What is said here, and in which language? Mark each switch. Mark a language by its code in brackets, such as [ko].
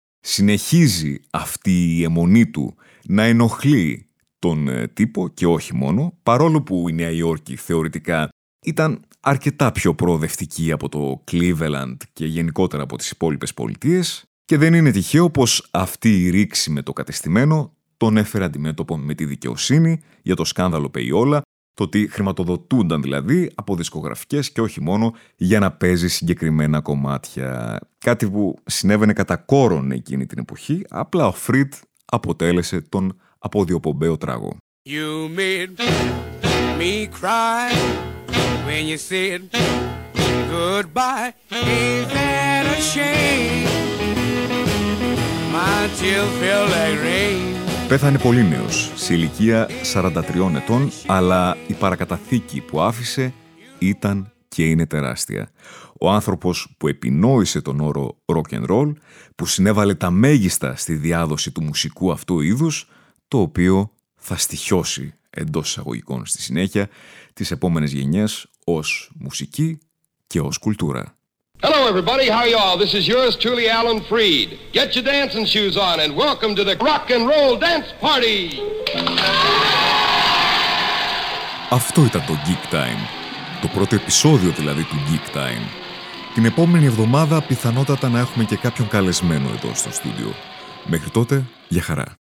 [el] Συνεχίζει αυτή η αιμονή του να ενοχλεί τον τύπο και όχι μόνο, παρόλο που η Νέα Υόρκη θεωρητικά ήταν αρκετά πιο προοδευτική από το Cleveland και γενικότερα από τις υπόλοιπες πολιτείες και δεν είναι τυχαίο πως αυτή η ρήξη με το κατεστημένο τον έφερε αντιμέτωπο με τη δικαιοσύνη για το σκάνδαλο Payola, το ότι χρηματοδοτούνταν δηλαδή από δισκογραφικές και όχι μόνο για να παίζει συγκεκριμένα κομμάτια. Κάτι που συνέβαινε κατά κόρον εκείνη την εποχή, απλά ο Freed αποτέλεσε τον αποδιοπομπαίο τράγο. [en] You made me cry. When you said goodbye, is that a shame? My tears feel like rain. [el] Πέθανε πολύ νέος, σε ηλικία 43 ετών, αλλά η παρακαταθήκη που άφησε ήταν και είναι τεράστια. Ο άνθρωπος που επινόησε τον όρο rock and roll, που συνέβαλε τα μέγιστα στη διάδοση του μουσικού αυτού είδους, το οποίο θα στοιχιώσει εντός εισαγωγικών στη συνέχεια τις επόμενες γενιές ως μουσική και ως κουλτούρα. [en] Hello everybody, how are y'all? This is yours truly Alan Freed. Get your dancing shoes on and welcome to the rock and roll dance party. [el] Αυτό ήταν το Geek Time. Το πρώτο επεισόδιο δηλαδή του Geek Time. Την επόμενη εβδομάδα πιθανότατα να έχουμε και κάποιον καλεσμένο εδώ στο στούντιο. Μέχρι τότε, για χαρά.